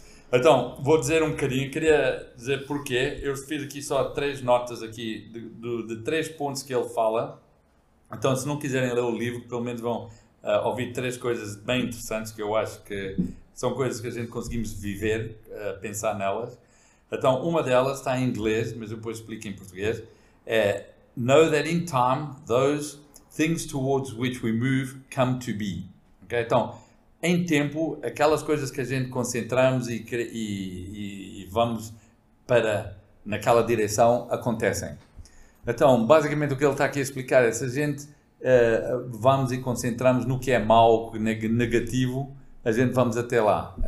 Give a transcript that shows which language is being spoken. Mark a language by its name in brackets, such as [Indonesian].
[Portuguese] Então, vou dizer um bocadinho, queria dizer porquê. Eu fiz aqui só 3 notas aqui de 3 pontos que ele fala. Então, se não quiserem ler o livro, pelo menos vão ouvi 3 coisas bem interessantes que eu acho que são coisas que a gente conseguimos viver, pensar nelas. Então, uma delas está em inglês, mas eu depois explico em português. [English] É Know that in time, those things towards which we move come to be. Okay? [Portuguese] Então, em tempo, aquelas coisas que a gente concentramos e vamos para naquela direção acontecem. Então, basicamente o que ele está aqui a explicar é se a gente vamos e concentramos no que é mau, negativo, a gente vamos até lá.